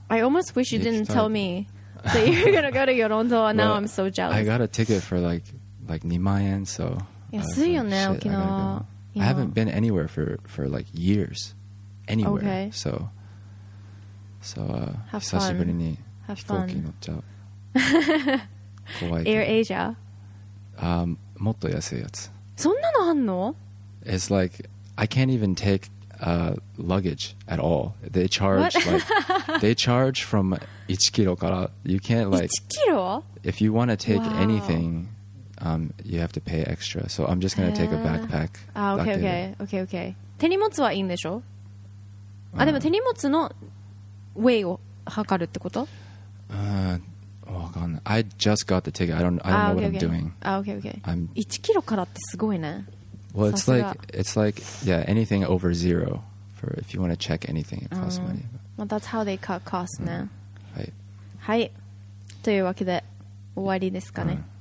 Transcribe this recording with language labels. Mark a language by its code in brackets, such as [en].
[en] I almost wish you didn't tell meme. So you're gonna go to Yoronto, and now I'm so jealous. I got a ticket for like 2万円, so [ja] 安いよね、沖縄。 [en] I haven't been anywhere for like years, anywhere. Okay. So, [ja] 久しぶりに飛行機乗っちゃう。怖い。 [en] Air Asia. [ja] もっと安いやつ。そんなのあんの？ [en] It's like I can't even take luggage at all. They charge like they charge from 1 kilo [ja] から [en] you can't like 1 kilo? If you want to take anything, you have to pay extra. So I'm just going to take a backpack. Ah, okay. [ja] 手荷物はいいんでしょ？あ、でも手荷物のウェイを測るってこと？わかんない。 [en] I just got the ticket. I don't know what I'm doing. [ja] Ah, okay. 1 kilo からってすごいね。 [en] Well, it's like, yeah, anything over zero. For if you want to check anything, it costs money. Well, that's how they cut costs now. Right. Hi. [ja] というわけで終わりですかね。